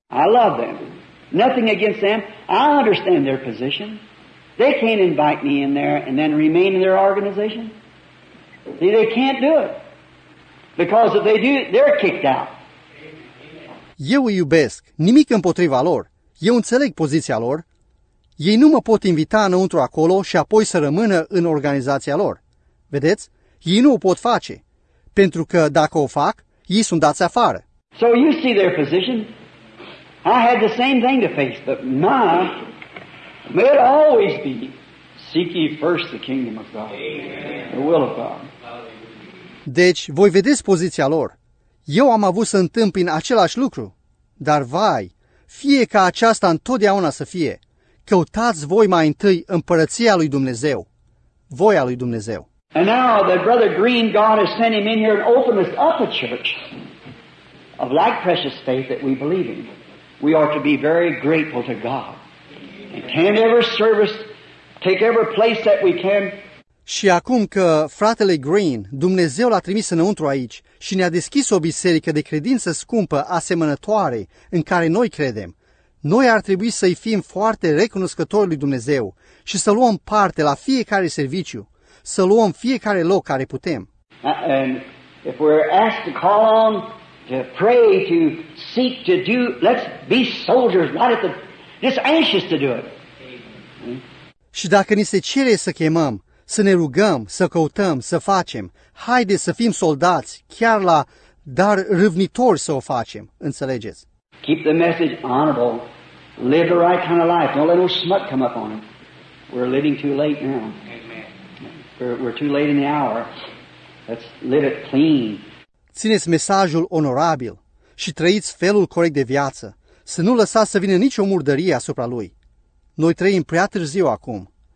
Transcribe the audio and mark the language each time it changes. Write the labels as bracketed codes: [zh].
[en] I love them. Nothing against them. I understand their position. They can't invite me in there and then remain in their organization. See, they can't do it. Because if they do, they're kicked out. [ro] Eu îi iubesc. Nimic împotriva lor. Eu înțeleg poziția lor. Ei nu mă pot invita înăuntru acolo și apoi să rămână în organizația lor. Vedeți? Ei nu o pot face, pentru că dacă o fac, ei sunt dați afară. [en] So you see their position? I had the same thing to face, but my, may it always be, seek ye first the kingdom of God, the will of God. [ro] Deci, voi vedeți poziția lor. Eu am avut să întâmpin același lucru, dar vai, fie ca aceasta întotdeauna să fie, căutați voi mai întâi împărăția lui Dumnezeu, voia lui Dumnezeu. [en] And now that Brother Green, God has sent him in here and opened us up a church of like precious faith that we believe in. We are to be very grateful to God. And can every service take every place that we can. [ro] Și acum că fratele Green, Dumnezeu l-a trimis înăuntru aici și ne-a deschis o biserică de credință scumpă asemănătoare în care noi credem, noi ar trebui să-i fim foarte recunoscători lui Dumnezeu și să luăm parte la fiecare serviciu. Să luăm fiecare loc care putem. [en] And if we're asked to call on, to pray, to seek, to do, let's be soldiers, not at the, just anxious to do it. [ro] Și dacă ni se cere să chemăm, să ne rugăm, să căutăm, să facem, haide să fim soldați, chiar la dar râvnitori să o facem, înțelegeți? [en] Keep the message honorable, live the right kind of life, don't let no smut come up on it. We're living too late now. We're too late in the hour. Let's live it clean. [ro] Țineți mesajul onorabil și trăiți felul corect de viață. Să nu lăsați să vină nicio murdărie asupra lui. Noi trăim prea târziu acum.